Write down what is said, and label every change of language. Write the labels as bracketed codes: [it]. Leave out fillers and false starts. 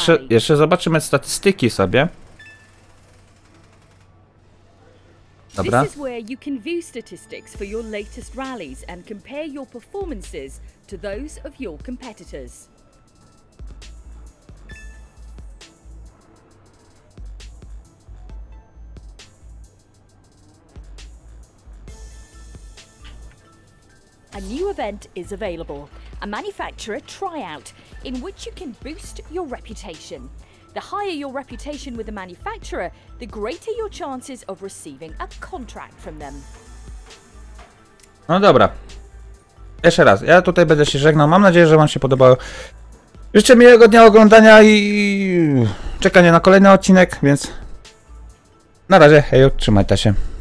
[pl] Jeszcze zobaczymy statystyki sobie. Dobra. [en] This is where you can view statistics for your latest rallies and compare your performances to those of your competitors. A new event is available, a manufacturer tryout in which you can boost your reputation. The higher your reputation with the manufacturer, the greater your chances of receiving a contract from them. [pl] No dobra. Jeszcze raz. Ja tutaj będę się żegnał. Mam nadzieję, że wam się podobało. Życzę miłego dnia oglądania i czekania na kolejny odcinek, więc na razie. Hej, trzymajcie się.